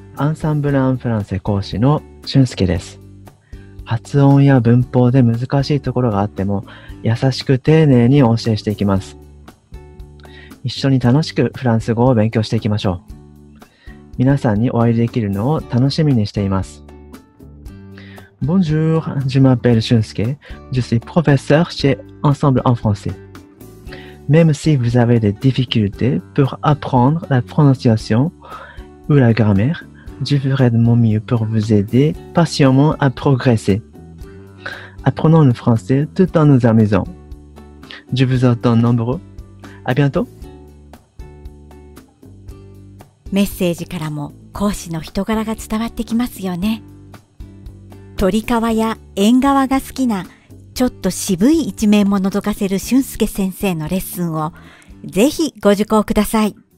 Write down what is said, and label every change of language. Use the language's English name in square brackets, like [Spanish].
[Japanese] アンサンブルアンフランセ講師の俊介です。発音や文法で難しいところがあっても優しく丁寧にお教えしていきます。一緒に楽しくフランス語を勉強していきましょう。皆さんにお会いできるのを楽しみにしています。 [French] Bonjour, je m'appelle 俊介 Je suis professeur chez Ensemble en français. Même si vous avez des difficultés pour apprendre la prononciation ou la grammaireJe ferai de mon mieux pour vous aider patiemment à progresser. Apprenons le français tout en nous amusant. Je vous attends nombreux. À bientôt. [Japanese] メッセージからも講師の人柄が伝わってきますよね。鳥川や縁側が好きなちょっと渋い一面も覗かせる俊介先生のレッスンをぜひご受講ください。